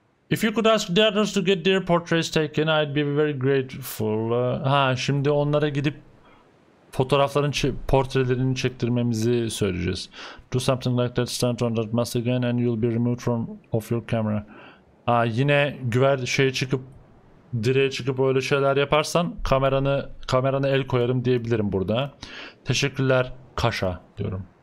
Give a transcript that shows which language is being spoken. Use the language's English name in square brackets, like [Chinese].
[English] If you could ask the others to get their portraits taken, I'd be very grateful. [Turkish] Ha, şimdi onlara gidip fotoğrafların portrelerini çektirmemizi söyleyeceğiz. [English] Do something like that, stand on that mask again and you'll be removed from off your camera. [Turkish] Ha, yine direğe çıkıp öyle şeyler yaparsan kamerana el koyarım diyebilirim burada. Teşekkürler Kaşa diyorum.